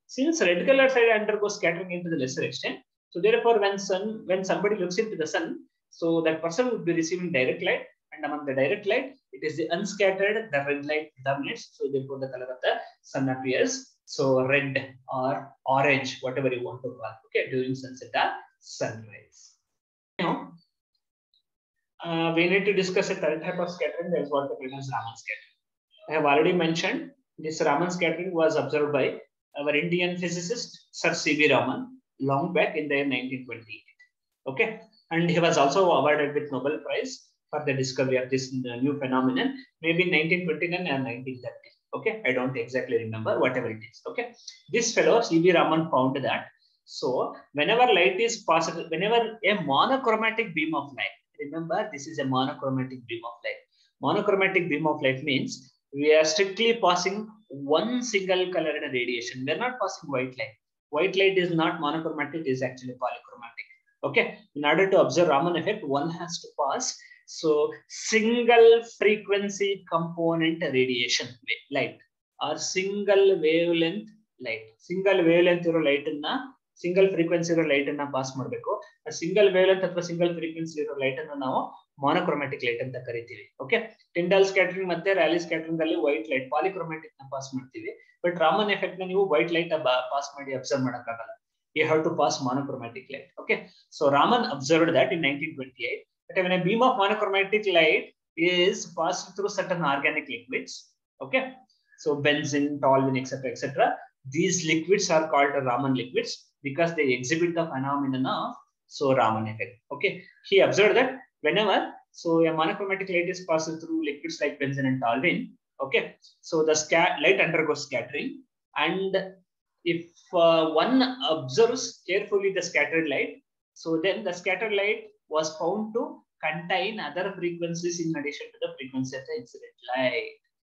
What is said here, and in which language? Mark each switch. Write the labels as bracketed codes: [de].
[en] Since red colour side undergoes scatter to the lesser extent, so therefore when somebody looks into the sun, so that person would be receiving direct light. And among the direct light it is the unscattered the red light dominates, so therefore the colour of the sun appears. So red or orange whatever you want to call, okay, during sunset or sunrise. We need to discuss a third type of scattering, that is what we call as Raman scattering. I have already mentioned this Raman scattering was observed by our Indian physicist Sir C.V. Raman long back in the year 1928. Okay, and he was also awarded with Nobel Prize for the discovery of this new phenomenon, maybe 1929 or 1930. Okay, I don't exactly remember, whatever it is. Okay, this fellow C.V. Raman found that, so whenever light is passed, whenever a monochromatic beam of light, remember this is a monochromatic beam of light, monochromatic beam of light means we are strictly passing one single color in a radiation, we are not passing white light. White light is not monochromatic, it is actually polychromatic. Okay, in order to observe Raman effect, one has to pass so single frequency component radiation light or single wavelength light. [kn] Single wavelength iro light anna single frequency ಇರೋ light ಅನ್ನ pass ಮಾಡಬೇಕು. Single wavelength ಅಥವಾ single frequency ಇರೋ light ಅನ್ನ ನಾವು ಮೊನೋಕ್ರೊಮ್ಯಾಟಿಕ್ light ಅಂತ ಕರಿತೀವಿ. Okay, Tyndall scattering ಮತ್ತೆ ರ್ಯಾಲಿ ಸ್ಕ್ಯಾಟರಿಂಗ್ ಅಲ್ಲಿ ವೈಟ್ ಲೈಟ್ ಪಾಲಿಕ್ರೊಮ್ಯಾಟಿಕ್ ನ ಪಾಸ್ ಮಾಡ್ತೀವಿ. ಬಟ್ ರಾಮನ್ ಎಫೆಕ್ಟ್ ನ ನೀವು ವೈಟ್ ಲೈಟ್ ಪಾಸ್ ಮಾಡಿ ಅಬ್ಸರ್ವ್ ಮಾಡಕ್ ಆಗಲ್ಲ, [en] You have to pass monochromatic light. Okay, so Raman observed that in 1928. But a beam of monochromatic light is passed through certain organic liquids. Okay, so benzene, toluene, etcetera etcetera. These liquids are called Raman liquids because they exhibit the phenomenon of so Raman effect. Okay, he observed that whenever so a monochromatic light is passed through liquids like benzene and toluene, okay, so the light undergoes scattering, and if one observes carefully the scattered light, so then the scattered light was found to contain other frequencies in addition to the frequency of the incident light.